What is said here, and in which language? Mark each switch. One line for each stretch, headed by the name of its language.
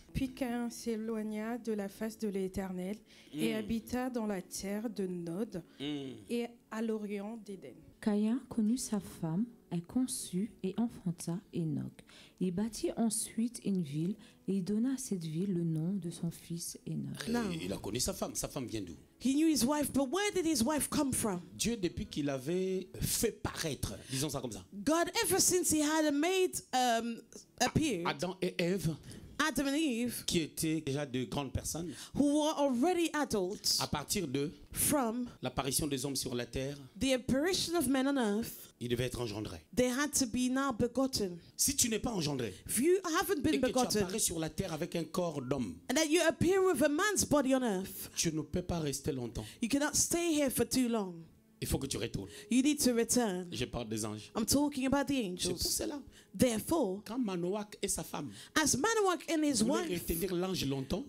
French: Puis Caïn s'éloigna de la face de l'Éternel et habita dans la terre de Nod et à l'orient d'Éden. Caïn connut sa femme, elle conçut et enfanta Enoch. Il bâtit ensuite une ville et il donna à cette ville le nom de son fils Enoch. Il a connu sa femme. Sa femme vient d'où?
English: He knew his wife, but where did his wife come from?
French: Dieu, depuis qu'il avait fait paraître, disons ça comme ça.
English: God, ever since he had made appear.
French: Adam et Ève.
English: Adam and Eve.
French: Qui étaient déjà de grandes personnes.
English: Who were already adults.
French: À partir de.
English: From.
French: L'apparition des hommes sur la terre.
English: The apparition of men on earth.
French: Ils devaient être engendrés.
English: They had to be now begotten.
French: Si tu n'es pas engendré.
English: If you haven't been begotten.
French: Et que tu apparais sur la terre avec un corps d'homme.
English: And that you appear with a man's body on earth.
French: Tu ne peux pas rester longtemps.
English: You cannot stay here for too long.
French: Il faut que tu retournes.
English: You need to return.
French: Je parle des anges.
English: I'm talking about the angels.
French: C'est pour cela.
English: Therefore.
French: Quand Manoac et sa femme.
English: As Manoac and his wife.
French: Voulaient retenir l'ange longtemps.